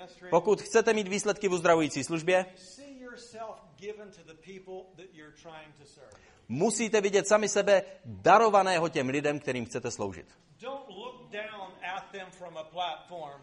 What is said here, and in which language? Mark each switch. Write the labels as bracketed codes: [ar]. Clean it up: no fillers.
[cs] Pokud chcete mít výsledky v uzdravující službě, [en] yourself given to the people that you're trying to serve. [cs] Musíte vidět sami sebe darovaného těm lidem, kterým chcete sloužit. [en] Don't look down at them from a platform.